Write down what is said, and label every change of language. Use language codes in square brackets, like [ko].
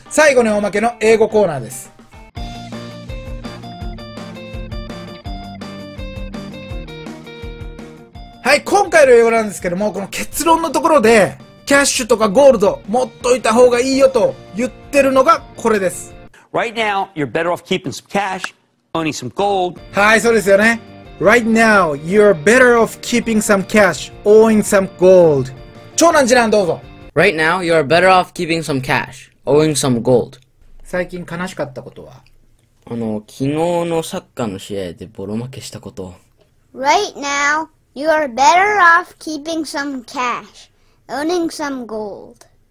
[ja] 最後におまけの英語コーナーです。はい、今回の英語なんですけども、この結論のところで、キャッシュとかゴールド、持っといた方がいいよと言ってるのがこれです。 [en] Right now, you're better off keeping some cash, owning some gold. [ja] はい、そうですよね。 [en] Right now, you're better off keeping some cash, owing some gold. [ja] 長男次男どうぞ。 [en] Right now, you're better off keeping some cash, owing some gold. [ja] 最近悲しかったことは？昨日のサッカーの試合でボロ負けしたこと。 [en] Right now, you're better off keeping some cash, owning some gold.